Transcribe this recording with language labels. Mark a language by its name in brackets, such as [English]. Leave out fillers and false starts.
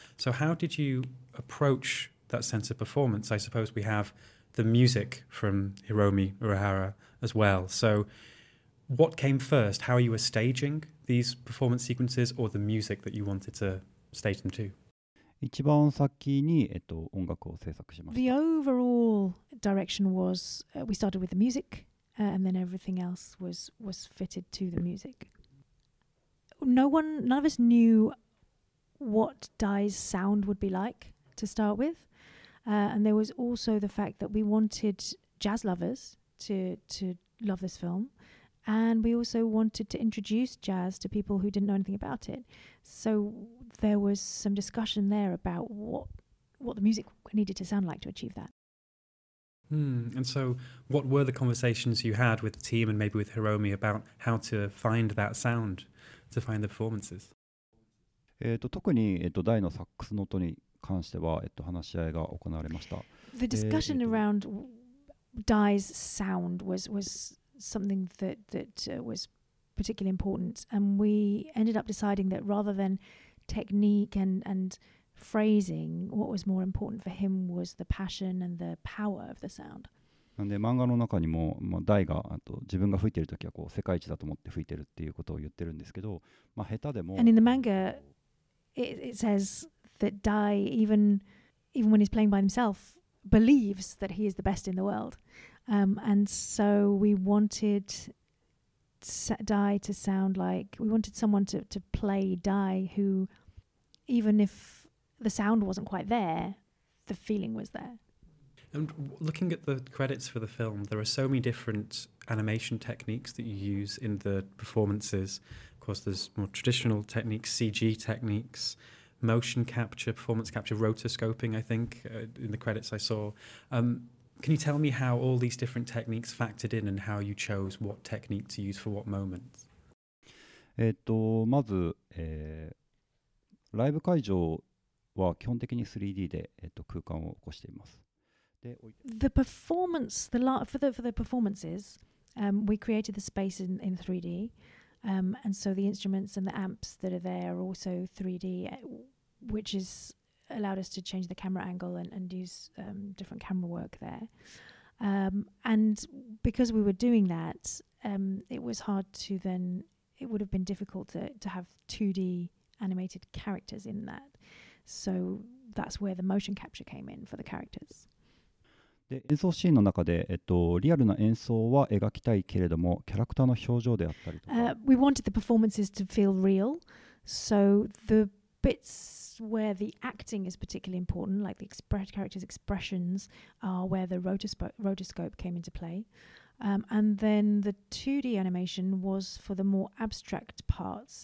[English] So how did you approach that sense of performance? I suppose we have the music from Hiromi Urahara as well. So what came first? How you were staging these performance sequences or the music that you wanted to stage them to? [Japanese] 一番先に、音楽を制作しました。 [English] The overall direction was, we started with the music, and then everything else was fitted to the music. None of us knew what Dai's sound would be like to start with. And there was also the fact that we wanted jazz lovers to love this film. And we also wanted to introduce jazz to people who didn't know anything about it. So there was some discussion there about what the music needed to sound like to achieve that. And so what were the conversations you had with the team and maybe with Hiromi about how to find that sound, to find the performances? [Japanese] 特に、ダイのサックスの音に関しては、話し合いが行われました。 [English] The discussion around Dai's sound was something that was particularly important, and we ended up deciding that rather than technique and phrasing, what was more important for him was the passion and the power of the sound. [Japanese] なんで漫画の中にも、まあ、ダイが自分が吹いてるときはこう世界一だと思って吹いてるっていうことを言ってるんですけど、まあ、下手でも。 [English] And in the manga, it says that Dai, even when he's playing by himself, believes that he is the best in the world. And so we wanted Dai to sound like, we wanted someone to play Dai who, even if the sound wasn't quite there, the feeling was there. And looking at the credits for the film, there are so many different animation techniques that you use in the performances. Of course, there's more traditional techniques, CG techniques, motion capture, performance capture, rotoscoping, I think, in the credits I saw. Can you tell me how all these different techniques factored in and how you chose what technique to use for what moment? [Japanese] まず、ライブ会場は基本的に 3D で、空間を起こしています。 [English] で、The performance, for the performances, we created the space in 3D, and so the instruments and the amps that are there are also 3D, which is... allowed us to change the camera angle and use different camera work there. And because we were doing that, it was hard to then it would have been difficult to have 2D animated characters in that. So that's where the motion capture came in for the characters. [Japanese] で演奏シーンの中で、リアルな演奏は描きたいけれども、キャラクターの表情であったりとか、 [English] We wanted the performances to feel real, so the bits where the acting is particularly important, like the characters' expressions, are where the rotoscope came into play. And then the 2D animation was for the more abstract parts.